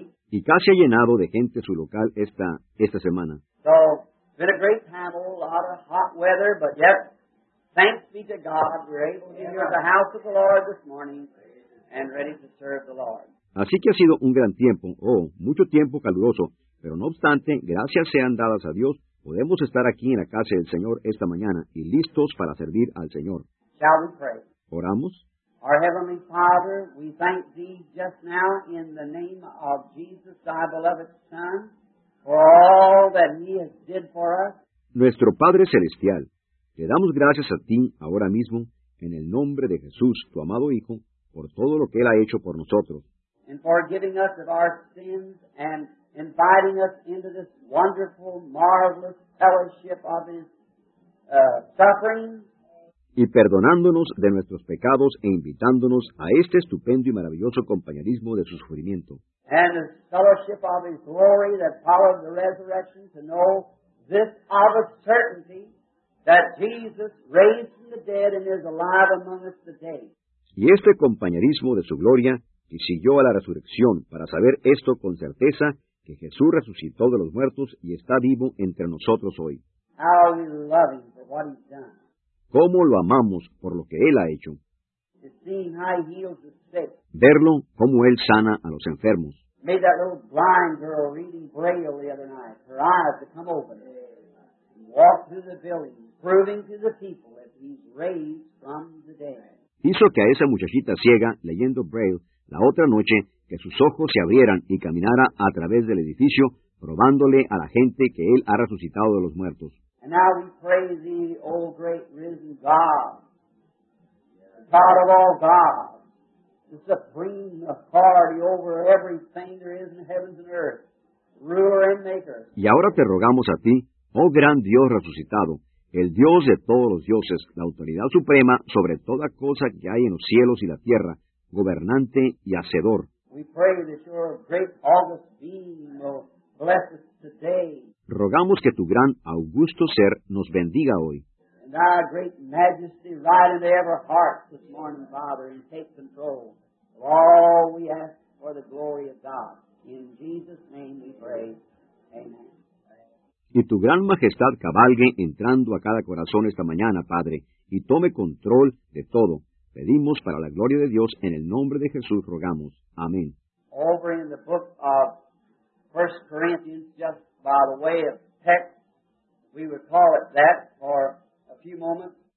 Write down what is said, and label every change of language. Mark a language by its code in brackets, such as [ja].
[es] Y casi ha llenado de gente su local esta semana. [en] So, it's been a great time, a lot of hot weather, but yet, thanks be to God, we're able to be here at the house of the Lord this morning and ready to serve the Lord. [es] Así que ha sido un gran tiempo, mucho tiempo caluroso, pero no obstante, gracias sean dadas a Dios, podemos estar aquí en la casa del Señor esta mañana y listos para servir al Señor. [en] Shall we pray? [es] Oramos. [en] Our Heavenly Father, we thank Thee just now in the name of Jesus, Thy beloved Son, for all that He has did for us. [es] Nuestro Padre Celestial, te damos gracias a Ti ahora mismo en el nombre de Jesús, Tu amado Hijo, por todo lo que Él ha hecho por nosotros. [en] And for giving us of our sins and inviting us into this wonderful, marvelous fellowship of His suffering. [es] Y perdonándonos de nuestros pecados e invitándonos a este estupendo y maravilloso compañerismo de su sufrimiento. [en] And the fellowship of His glory that followed the resurrection to know this of a certainty that Jesus raised from the dead and is alive among us today. [es] Y este compañerismo de su gloria que siguió a la resurrección para saber esto con certeza, que Jesús resucitó de los muertos y está vivo entre nosotros hoy. [en] How we love him for what he's done. [es] Cómo lo amamos por lo que él ha hecho. [en] To see how he heals the sick. [es] Verlo cómo él sana a los enfermos. [en] Made that little blind girl reading Braille the other night. Her eyes to come open. Walked through the building, proving to the people that he's raised from the dead. [es] Hizo que a esa muchachita ciega, leyendo Braille, la otra noche, que sus ojos se abrieran y caminara a través del edificio, probándole a la gente que él ha resucitado de los muertos. [en] And now we praise thee, the old great risen God, the God of all gods, the supreme authority over everything there is in the heavens and earth, ruler and maker. [es] Y ahora te rogamos a ti, oh gran Dios resucitado, el Dios de todos los dioses, la autoridad suprema sobre toda cosa que hay en los cielos y la tierra, gobernante y hacedor. [en] We pray that your great august being will bless us today. [es] Rogamos que tu gran augusto ser nos bendiga hoy. [en] And our great majesty ride into every heart this morning, Father, and take control of all we ask for the glory of God. In Jesus' name we pray. Amen. [es] Y tu gran majestad cabalgue entrando a cada corazón esta mañana, Padre, y tome control de todo. Pedimos para la gloria de Dios, en el nombre de Jesús rogamos. Amén. [en] Over in the book of 1 Corinthians, just by the way of text, we would call it that for a few moments.